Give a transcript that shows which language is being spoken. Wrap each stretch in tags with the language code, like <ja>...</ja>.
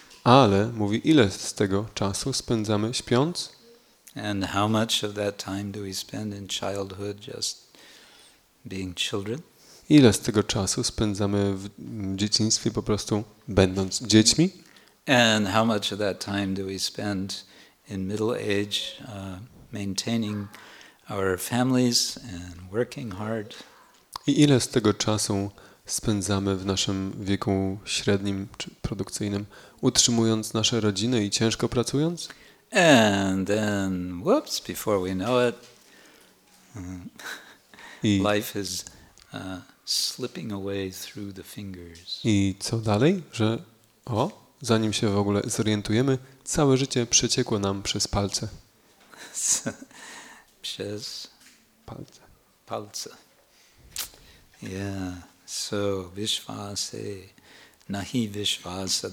<pl>Ale mówi, ile z tego czasu spędzamy śpiąc?</pl> <en>And how much of that time do we spend in childhood just being children?</en> <pl>Ile z tego czasu spędzamy w dzieciństwie po prostu będąc dziećmi?</pl> <en>And how much of that time do we spend in middle age maintaining our families and working hard?</en> <pl>I ile z tego czasu spędzamy w naszym wieku średnim czy produkcyjnym, utrzymując nasze rodziny i ciężko pracując?</pl> <en>And then, whoops, before we know it, life is slipping away through the fingers.</en> <pl>I co dalej? Że zanim się w ogóle zorientujemy, całe życie przeciekło nam przez palce. Przez palce. Palce.</pl> <en>Yeah. So</en> <sa>vishvase nahi vishvasa.</sa>